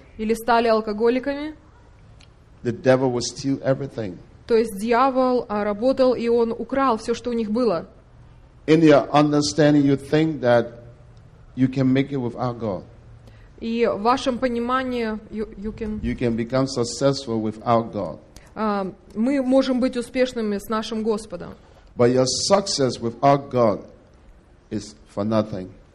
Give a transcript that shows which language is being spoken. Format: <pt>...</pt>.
<ru>Или стали алкоголиками?</ru> <en>The devil will steal everything.</en> <ru>То есть дьявол работал, и он украл все, что у них было.</ru> <en>In your understanding, you think that you can make it without God.</en> <ru>И в вашем понимании</ru> <en>you can become successful without God.</en> <ru>Мы можем быть успешными с нашим Господом.</ru> <en>But your success without God is for nothing.</en>